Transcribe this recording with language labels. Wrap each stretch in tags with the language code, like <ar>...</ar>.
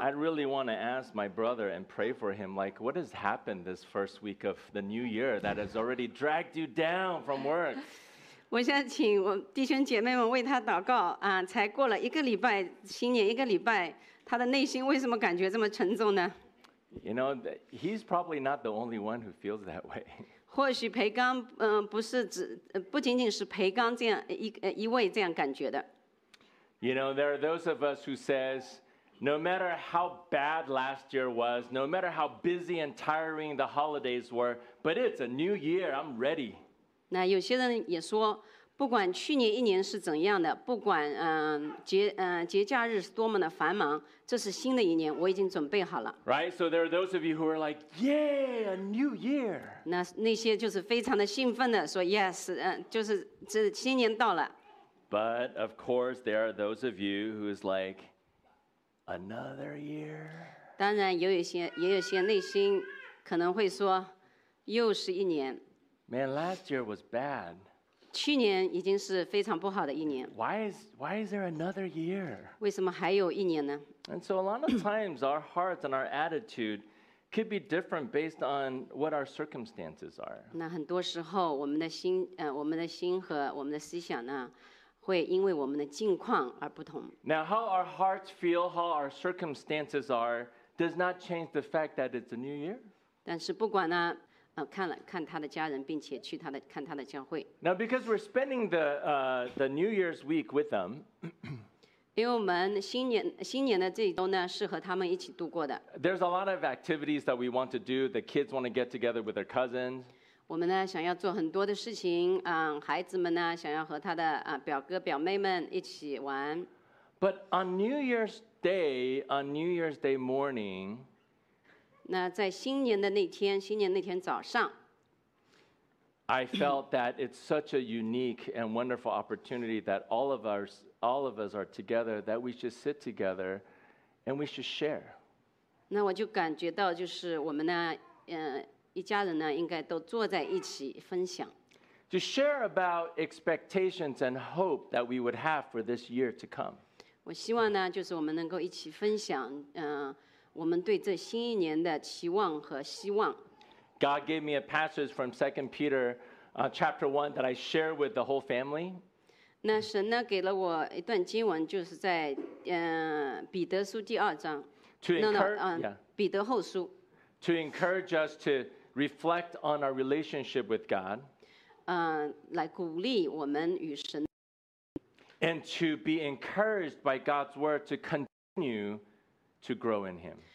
<en>I really want to ask my brother and pray for him, like, what has happened this first week of the new year that has already dragged you down from work?</en> <zh>我想请我弟兄姐妹们为他祷告啊！才过了一个礼拜，新年一个礼拜，他的内心为什么感觉这么沉重呢？</zh> <en>You know, he's probably not the only one who feels that way.</en> <zh>或许裴刚不仅仅是裴刚这样一位这样感觉的。</zh> <en>You know, there are those of us who says, no matter how bad last year was, no matter how busy and tiring the holidays were, but it's a new year, I'm ready.</en> <zh>那有些人也说，不管去年一年是怎样的，不管节假日是多么的繁忙，这是新的一年，我已经准备好了。</zh> <en>Right, so there are those of you who are like, yeah, a new year.</en> <zh>那些就是非常的兴奋的，说 yes, 就是这新年到了。</zh> <en>But of course, there are those of you who is like another year.</en> <zh>当然，也有些内心可能会说，又是一年。</zh> <en>Man, last year was bad.</en> <zh>去年已经是非常不好的一年。</zh> <en>Why is there another year?</en> <zh>为什么还有一年呢？</zh> <en>And so, a lot of times, our hearts and our attitude could be different based on what our circumstances are.</en> <zh>那很多时候，我们的心和我们的思想呢？会因为我们的境况而不同。</zh> <en>Now, how our hearts feel, how our circumstances are, does not change the fact that it's a new year.</en> <zh>但是不管呢，看他的家人，并且去他的看他的教会。</zh> <en>Now, because we're spending the New Year's week with them.</en> <zh>因为我们新年的这一周呢，是和他们一起度过的。</zh> <en>There's a lot of activities that we want to do. The kids want to get together with their cousins.</en> <zh>我们呢想要做很多的事情，孩子们呢想要和他的表哥表妹们一起玩。</zh> <en>But on New Year's Day morning,</en> <zh>那在新年那天早上</zh> <en>，I felt that it's such a unique and wonderful opportunity that all of us are together, that we should sit together, and we should share.</en> <zh>那我就感觉到就是我们呢，一家人呢，应该都坐在一起分享。</zh> <en>To share about expectations and hope that we would have for this year to come.</en> <zh>我希望呢，就是我们能够一起分享，我们对这新一年的期望和希望。</zh> <en>God gave me a passage from 2 Peter, chapter 1 that I share with the whole family.</en> <zh>那神呢，给了我一段经文，就是在彼得书第二章。</zh> <en>To encourage,</en> <zh>yeah. 彼得后书。</zh> <en>To encourage us to reflect on our relationship with God.</en> <zh>来鼓励我们与神。</zh> <en>And to be encouraged by God's word to continue to grow in Him.</en>